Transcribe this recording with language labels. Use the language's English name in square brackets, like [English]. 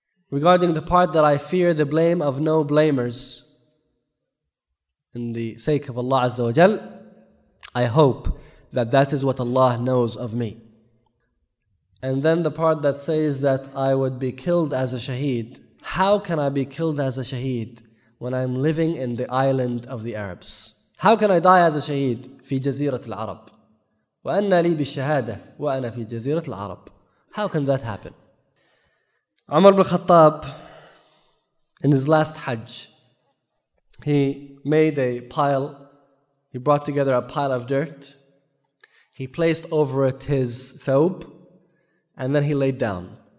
[English] Regarding the part that I fear the blame of no blamers in the sake of Allah Azza wa Jal, I hope that that is what Allah knows of me. And then the part that says that I would be killed as a shaheed, how can I be killed as a shaheed when I'm living in the island of the Arabs? How can I die as a shaheed? [Arabic] في جزيرة العرب. وأنا لي بالشهادة وأنا في جزيرة العرب. [English] How can that happen? Umar ibn Khattab, in his last Hajj, he made a pile, he brought together a pile of dirt, he placed over it his thawb, and then he laid down.